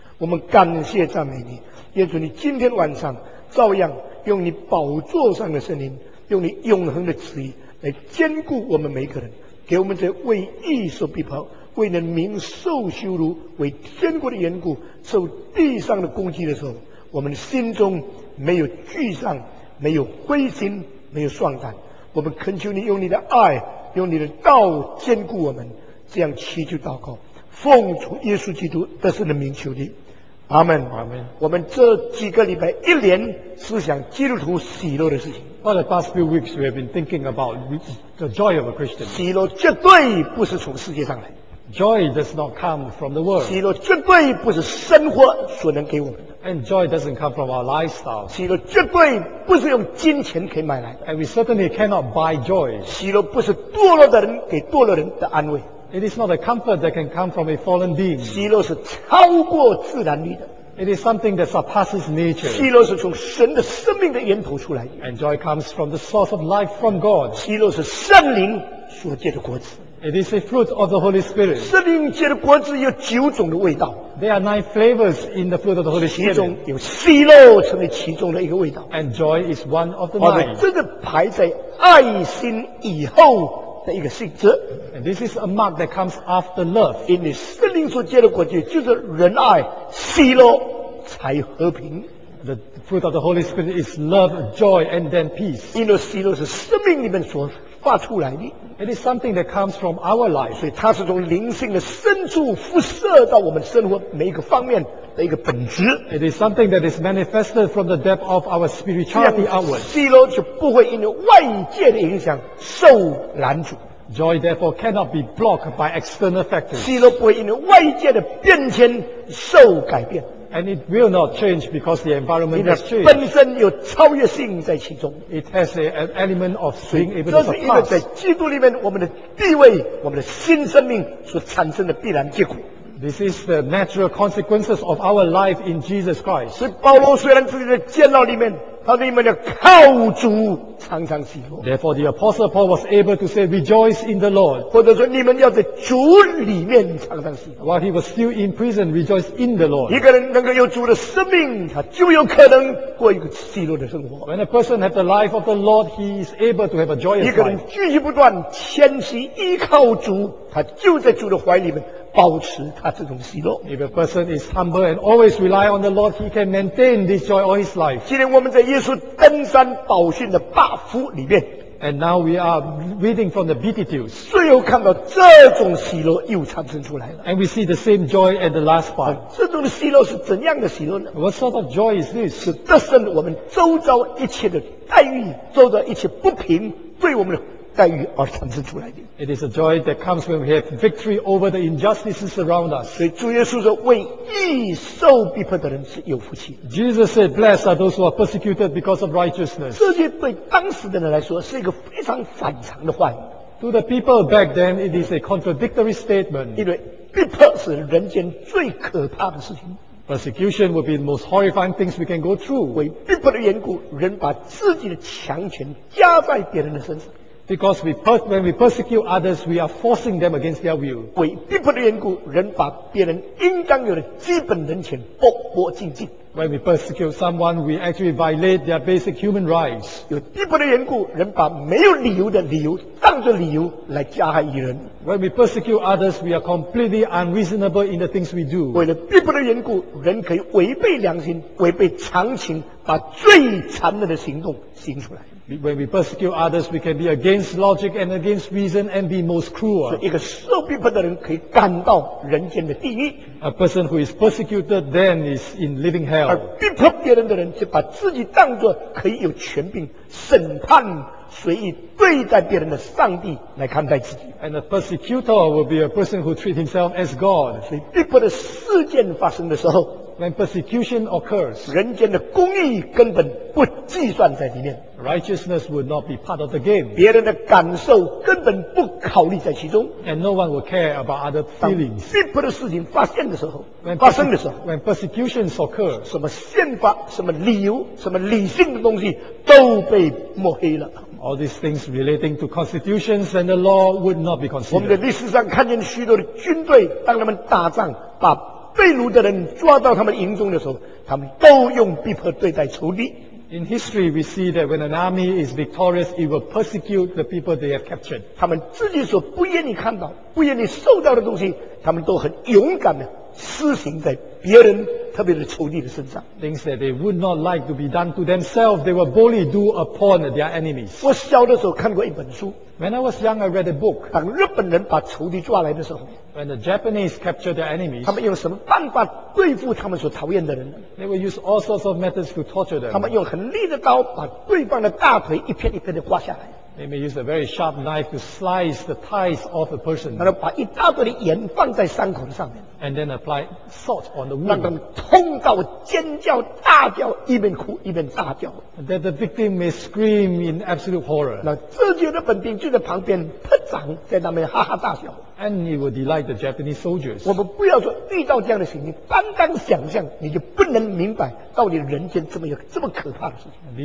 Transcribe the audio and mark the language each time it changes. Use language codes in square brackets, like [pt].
[zh] 我们感谢赞美你，愿主你今天晚上照样用你宝座上的圣灵，用你永恒的旨意来坚固我们每一个人，给我们这为义受逼迫、为人民受羞辱、为天国的缘故受地上的攻击的时候，我们心中没有沮丧、没有灰心、没有丧胆。我们恳求你用你的爱、用你的道坚固我们，这样祈求祷告，奉主耶稣基督得胜的名求你，阿们，阿们。我们这几个礼拜一连思想基督徒喜乐的事情。 [en] For the past few weeks, we have been thinking about the joy of a Christian. [zh] 喜乐绝对不是从世界上来。 [en] Joy does not come from the world. [zh] 喜乐绝对不是生活所能给我们的。 [en] And joy doesn't come from our lifestyle. [zh] 喜乐绝对不是用金钱可以买来的。 [en] And we certainly cannot buy joy. [zh] 喜乐不是堕落的人给堕落人的安慰。 [en] It is not a comfort that can come from a fallen being. [zh] 喜乐是超过自然力的。 [en] It is something that surpasses nature. [zh] 喜乐是从神的生命的源头出来的。 [en] And joy comes from the source of life from God. [zh] 喜乐是圣灵所结的果子。 [en] It is a fruit of the Holy Spirit. [zh] 圣灵结的果子有九种的味道。 [en] There are 9 flavors in the fruit of the Holy Spirit. [zh] 其中有喜乐成为其中的一个味道。 [en] And joy is one of the 9. [zh] 这个排在爱心以后的一个性质。 [en] And this is a mark that comes after love. [zh] 因为圣灵所结的果子就是仁爱、喜乐才和平。 [en] The fruit of the Holy Spirit is love, joy, and then peace. [zh] 因为喜乐是生命里面所发出来的。 [en] It is something that comes from our life. [zh] 所以它是从灵性的深处辐射到我们生活每一个方面的一个本质。 [en] It is something that is manifested from the depth of our spirituality outward. [zh] 喜乐就不会因为外界的影响受拦阻。 [en] Joy therefore cannot be blocked by external factors. [zh] 喜乐不会因为外界的变迁受改变。 [en] And it will not change because the environment has changed. [zh] 你的本身有超越性在其中。 [en] It has an element of being able to surpass. [zh] 这是因为在基督里面我们的地位、我们的新生命所产生的必然结果。 [en] This is the natural consequences of our life in Jesus Christ. [zh] 所以保罗虽然自己在监牢里面，他说你们要靠主常常喜乐。 [en] Therefore, the apostle Paul was able to say, "Rejoice in the Lord." [zh] 或者说你们要在主里面常常喜乐。 [en] While he was still in prison, "Rejoice in the Lord." [zh] 一个人能够有主的生命，他就有可能过一个喜乐的生活。 [en] When a person has the life of the Lord, he is able to have a joyous life. [zh] 一个人继续不断谦虚依靠主，他就在主的怀里面保持他这种喜乐。 [en] If a person is humble and always rely on the Lord, he can maintain this joy all his life. [zh] 今天我们在耶稣登山宝训的八福里面。 [en] And now we are reading from the Beatitudes. [zh] 最后看到这种喜乐又产生出来了。 [en] And we see the same joy at the last part. [zh] 这种喜乐是怎样的喜乐呢？ [en] What sort of joy is this? [zh] 是得胜我们周遭一切的待遇，周遭一切不平，对我们的待遇而产生出来的。 [en] It is a joy that comes when we have victory over the injustices around us. [zh] 所以主耶稣说，为义受逼迫的人是有福气。 [en] Jesus said, "Blessed are those who are persecuted because of righteousness." [zh] 这些对当时的人来说是一个非常反常的话语。 [en] To the people back then, it is a contradictory statement. [zh] 因为逼迫是人间最可怕的事情。 [en] Persecution would be the most horrifying things we can go through. [zh] 为逼迫的缘故，人把自己的强权加在别人的身上。 [en] Because when we persecute others, we are forcing them against their will. [zh] 为逼迫的缘故，人把别人应当有的基本人权剥剥净净。 [en] When we persecute someone, we actually violate their basic human rights. [zh] 有逼迫的缘故，人把没有理由的理由当作理由来加害于人。 [en] When we persecute others, we are completely unreasonable in the things we do. [zh] 为了逼迫的缘故，人可以违背良心，违背常情，把最残忍的行动行出来。 [en] When we persecute others, we can be against logic and against reason and be most cruel. [zh] 一个受逼迫的人可以感到人间的地狱。 [en] A person who is persecuted then is in living hell. [zh] 而逼迫别人的人就把自己当作可以有权柄审判随意对待别人的上帝来看待自己。 [en] And a persecutor will be a person who treats himself as God. [zh] 所以逼迫的事件发生的时候。 [en] When persecution occurs, [zh] 人间的公义根本不计算在里面。 [en] Righteousness would not be part of the game. [zh] 别人的感受根本不考虑在其中。 [en] And no one will care about other feelings. [zh] 当逼迫的事情发现的时候，发生的时候 [en] ，When persecution occurs, [zh] 什么宪法、什么理由、什么理性的东西都被抹黑了。 [en] All these things relating to constitutions and the law would not be considered. [zh] 我们在历史上看见许多的军队，当他们打仗，把被掳的人抓到他们营中的时候，他们都用逼迫对待仇敌。 [en] In history, we see that when an army is victorious, it will persecute the people they have captured. [zh] 他们自己所不愿意看到、不愿意受到的东西，他们都很勇敢的施行在别人，特别是仇敌的身上。 [en] Things that they would not like to be done to themselves, they will boldly do upon their enemies. [zh] 我小的时候看过一本书。 [en] When I was young, I read a book. [zh] 当日本人把仇敌抓来的时候。 [en] When the Japanese captured their enemies, [zh] 他们用什么办法对付他们所讨厌的人呢？ [en] They will use all sorts of methods to torture them. [zh] 他们用很利的刀把对方的大腿一片一片地刮下来。 [en] They may use a very sharp knife to slice the thighs off a person. [zh] 然后把一大堆的盐放在伤口上面。 [en] And then apply salt on the wound. [zh] 让他们痛到尖叫大叫，一边哭一边大叫。 [en] That the victim may scream in absolute horror. [zh] 那自己的本兵就在旁边拍掌，在那边哈哈大笑。 [en] And it will delight the Japanese soldiers. [zh] 我们不要说遇到这样的情形，单单想象你就不能明白到底人间这么有这么可怕的事情。